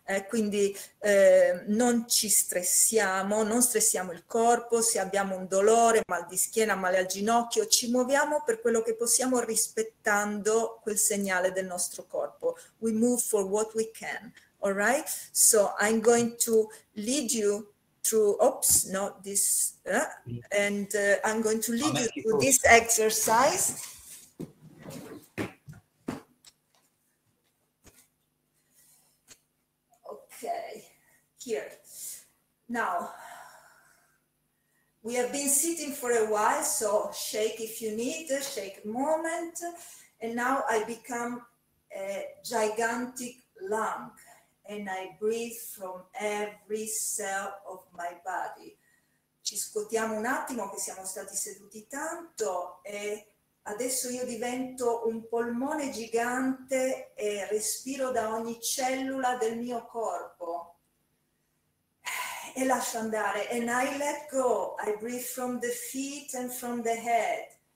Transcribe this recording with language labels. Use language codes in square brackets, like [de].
[it] Quindi non ci stressiamo, non stressiamo il corpo, se abbiamo un dolore, mal di schiena, male al ginocchio, ci muoviamo per quello che possiamo rispettando quel segnale del nostro corpo. [en] We move for what we can, all right? So I'm going to lead you through, oops, not this, and I'm going to lead you through this exercise. Here. Now, we have been sitting for a while, so shake if you need, shake a moment. And now I become a gigantic lung and I breathe from every cell of my body. [it] Ci scuotiamo un attimo che siamo stati seduti tanto e adesso io divento un polmone gigante e respiro da ogni cellula del mio corpo. E lascio andare, [en] and I let go, I breathe from the feet and from the head.